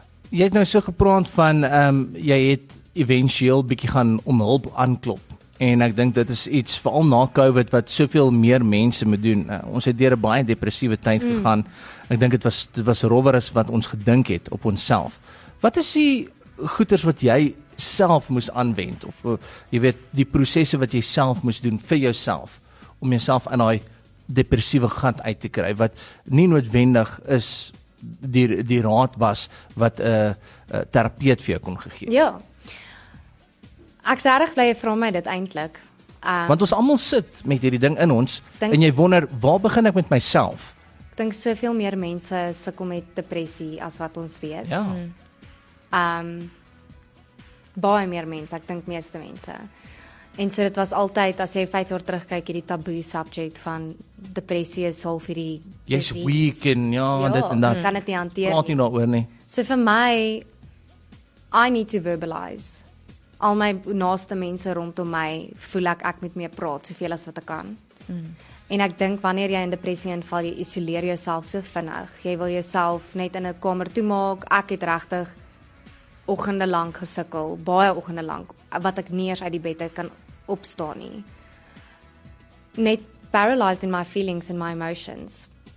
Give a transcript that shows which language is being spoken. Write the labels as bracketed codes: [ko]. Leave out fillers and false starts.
[af] Jy het nou so gepraat van, jy het eventueel bietjie gaan om hulp aanklop. En ek dink dit is iets, vooral na COVID, wat soveel meer mense moet doen. Ons het deur 'n baie depressiewe tyd gegaan. Ek dink dit was rower as wat ons gedink het op onsself. Wat is die goeders wat jy self moes aanwend? Of jy weet, die prosesse wat jy self moes doen vir jouself, om jouself in daai depressiewe gat uit te kry, wat nie noodwendig is die raad was wat 'n terapeut vir jou kon gegee. Ja. Ek is erg bly jy vra my dit eintlik. Want ons almal sit met hierdie ding in ons, en jy wonder, waar begin ek met myself? Ek dink soveel meer mense sukkel met depressie as wat ons weet. Ja. Baie meer mense, ek dink meeste mense. En so dit was altyd, as jy 5 jaar terugkyk, hierdie taboe subject van depressie is half hierdie jy's weak en ja, dit en dat. Kan dit nie hanteer nie. Praat nie daaroor nie. [en] So vir my, I need to verbalize. [af] Al my naaste mense rondom my, voel ek moet mee praat, soveel as wat ek kan. En ek dink, wanneer jy in depressie inval, jy isoleer jouself so vinnig. Jy wil jouself net in 'n kamer toemaak, ek het regtig oggende lank gesukkel, baie oggende lank, wat ek nie eers uit die bed uit kan opstaan nie. [en] Net paralyzed in my feelings and my emotions.